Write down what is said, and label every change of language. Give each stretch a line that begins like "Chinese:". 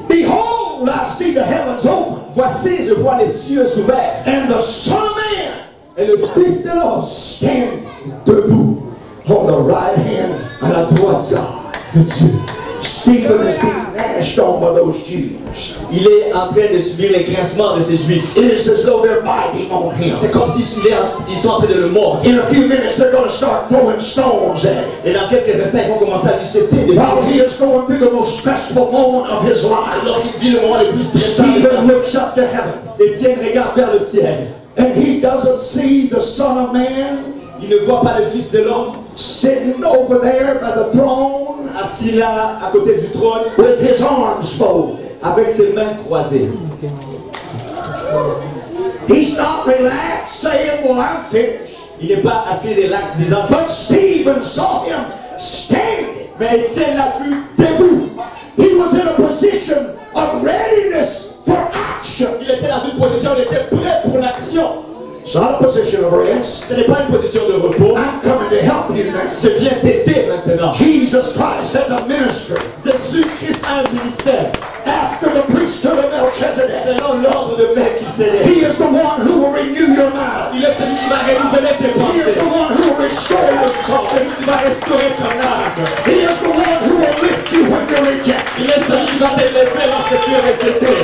English: behold, I see the heavens open.
French: Voici, je vois les cieux ouverts.
English: And the Son of Man,
French: et le Fils de l'homme,
English: stand debout on the right hand,
French: à la droite de Dieu.
English: Stephen is being gnashed on by those Jews.
French: Il est en train de subir les grincements de ces Juifs.
English: It is as though they're biting on him.
French: C'est comme si ils sont en train de le mordre.
English: In a few minutes, they're going to start throwing stones at him.
French: Et dans quelques instants, ils vont commencer à lui jeter des pierres.
English: While he is going through the most stressful moment of his life,
French: alors qu'il vit le moment le plus stressant,
English: Stephen looks up to heaven.
French: Étienne regarde vers le ciel.
English: And he doesn't see the Son of Man.
French: Il ne voit pas le Fils de l'homme.
English: Sitting over there by the throne,
French: assis là à côté du trône,
English: with his arms folded,
French: avec ses mains croisées. Okay.
English: He's not relaxed, saying, "Well, I'm finished."
French: Il n'est pas assez relax, disant.
English: But Stephen saw him standing.
French: Mais Étienne l'a vu debout.
English: He was in a position of readiness for action.
French: Il était dans une position, il était prêt pour l'action.
English: It's not a position of rest.
French: Ce n'est pas une position de repos.
English: I'm coming to help you now.
French: Je viens t'aider maintenant.
English: Jesus Christ has a ministry.
French: Jésus Christ a un ministère.
English: After the priesthood of Melchizedek.
French: Selon l'ordre de Melchizedek.
English: He is the one who will renew your mind.
French: Il est celui qui va renouveler tes pensées.
English: He is the one who will restore your soul.
French: Celui qui va restaurer ton âme.
English: He is the one who will lift you when you're rejected.
French: Il est celui qui va t'élever lorsque tu es rejeté.